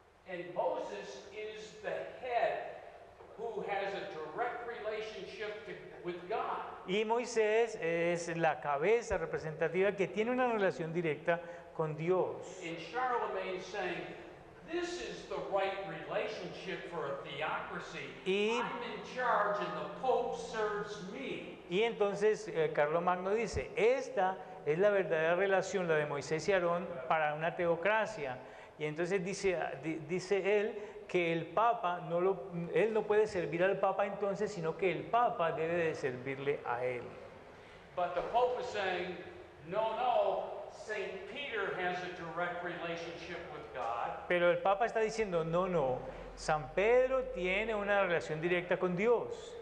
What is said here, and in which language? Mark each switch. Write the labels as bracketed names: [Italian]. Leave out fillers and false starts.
[English] And Moses is the head who has a direct relationship with God. [Spanish] Y Moisés es la cabeza representativa que tiene una relación directa con Dios. [English] And Charlemagne saying, this is the right relationship for a theocracy. [Spanish] Y [English] I'm in charge and the Pope serves me. [Spanish] Y entonces Carlomagno dice, esta es la verdadera relación, la de Moisés y Aarón, para una teocracia. Y entonces dice él que el Papa él no puede servir al Papa entonces, sino que el Papa debe de servirle a él. [English] But the Pope is saying, no, Saint Peter has a direct relationship with God. [Spanish] Pero el Papa está diciendo, no, San Pedro tiene una relación directa con Dios.